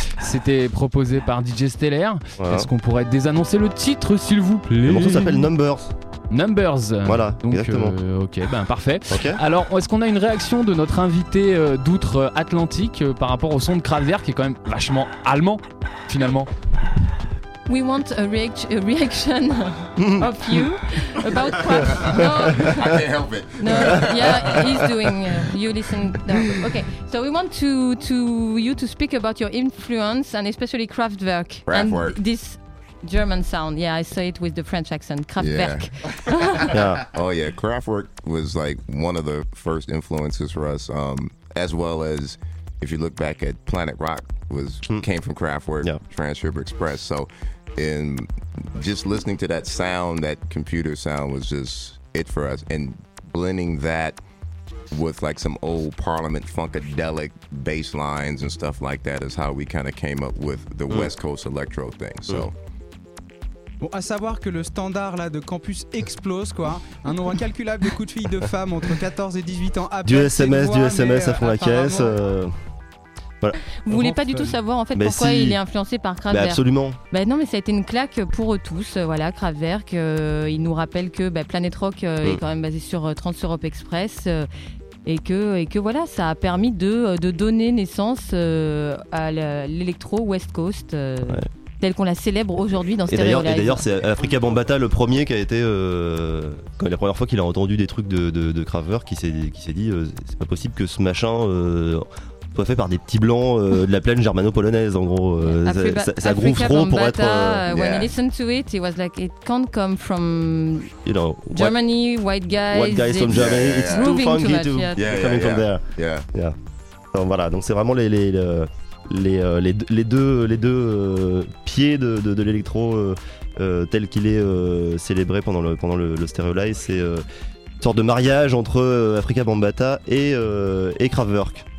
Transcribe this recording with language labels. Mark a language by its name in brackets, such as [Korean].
[French] C'était proposé par DJ Stellaire. Voilà. Est-ce qu'on pourrait désannoncer le titre, s'il vous plaît ? Le morceau s'appelle Numbers. Numbers. Voilà, donc, exactement. Ok, ben parfait. Okay. Alors, est-ce qu'on a une réaction de notre invité d'outre-Atlantique par rapport au son de Kraftwerk, qui est quand même vachement allemand, finalement ? [English] We want a, reaction of you about craft. No, I can't help it. No, yeah, he's doing. You listen. No. Okay, so we want to you to speak about your influence and especially Kraftwerk. Kraftwerk. And this German sound. Yeah, I say it with the French accent. Kraftwerk. Yeah. Oh yeah, Kraftwerk was like one of the first influences for us, as well as. If you look back at Planet Rock, was came from Kraftwerk, yeah. Transcriber Express. So, in just listening to that sound, that computer sound was just it for us. And blending that with like some old Parliament funkadelic bass lines and stuff like that is how we kind of came up with the West Coast electro thing. So. [French] Bon, à savoir que le standard là de campus explose quoi. Un nombre incalculable de coups de filles de femmes entre 14 et 18 ans. Du SMS, à fond la caisse. Voilà. Vous voulez pas du tout savoir en fait mais pourquoi si. Il est influencé par Kraftwerk. Absolument. Ben non, mais ça a été une claque pour eux tous. Voilà, Kraftwerk. Il nous rappelle que ben, Planet Rock est quand même basé sur Trans-Europe Express et que voilà, ça a permis de donner naissance à l'électro West Coast. Ouais. Telle qu'on la célèbre aujourd'hui dans Stereo Live. Et d'ailleurs, c'est Afrika Bambaataa le premier qui a été. La première fois qu'il a entendu des trucs de Kraftwerk, qui s'est dit c'est pas possible que ce machin soit fait par des petits blancs de la plaine germano-polonaise, en gros. Ça groove trop pour être. [English] When he listened to it, he was like, it can't come from. You know, Germany, white guys. White guys from Germany, it's too funky to come from there. Yeah. Yeah. [French] Donc voilà, donc c'est vraiment les deux pieds de l'électro tel qu'il est célébré pendant le Stereolize, c'est une sorte de mariage entre Afrika Bambaataa et Kraftwerk.